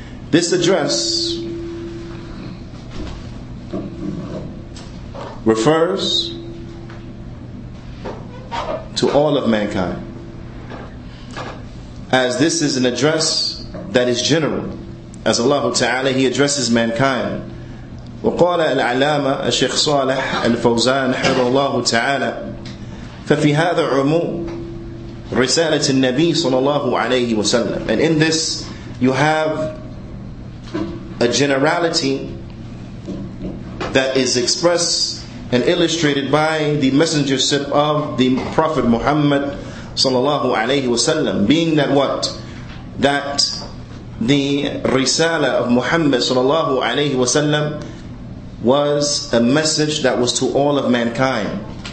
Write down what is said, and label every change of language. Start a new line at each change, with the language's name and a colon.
English: This address refers to all of mankind, as this is an address that is general, as Allah Ta'ala, He addresses mankind.
Arabic: وقال العلامة الشيخ صالح الفوزان حفظه الله تعالى ففي هذا عموم رسالة النبي صلى الله عليه وسلم.
English: And in this you have a generality that is expressed and illustrated by the messengership of the Prophet Muhammad
Arabic: صلى الله عليه وسلم,
English: being that what? That the Risala of Muhammad
Arabic: صلى الله عليه وسلم
English: was a message that was to all of mankind.